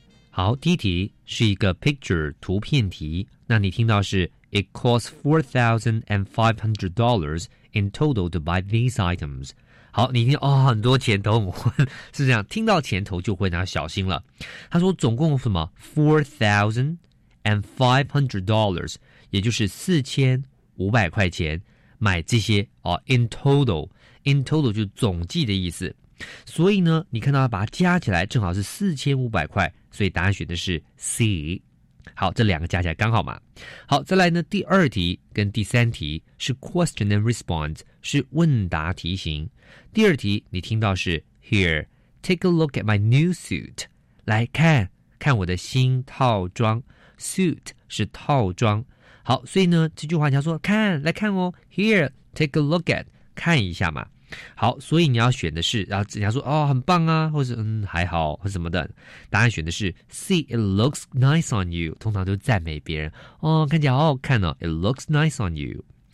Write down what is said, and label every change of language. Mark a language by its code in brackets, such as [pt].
[zh] 好，第一题是一个 picture 图片题。那你听到是 [en] It costs $4,500 in total to buy these items. [zh] 好，你听哦，很多钱都很混，是这样，听到钱头就会拿小心了。他说总共什么 $4,500, 也就是4500块钱买这些哦 , [en] in total [zh] 就是总计的意思。所以呢你看到把它加起来正好是4500块，所以答案选的是 C。好，这两个加起来刚好嘛。好，再来呢，第二题跟第三题是 [en] question and response, [zh] 是问答题型。第二题你听到是 [en] Here, take a look at my new suit, [zh] 来看看我的新套装。 Suit 是套装。好，所以呢这句话你要说看，来看哦， [en] Here, take a look at, [zh] 看一下嘛。好，所以你要选的是，然后人家说哦很棒啊，或是还好或什么的，答案选的是 C, [en] it looks nice on you, [zh] 通常都赞美别人哦，看起来好好看哦， it looks nice on you。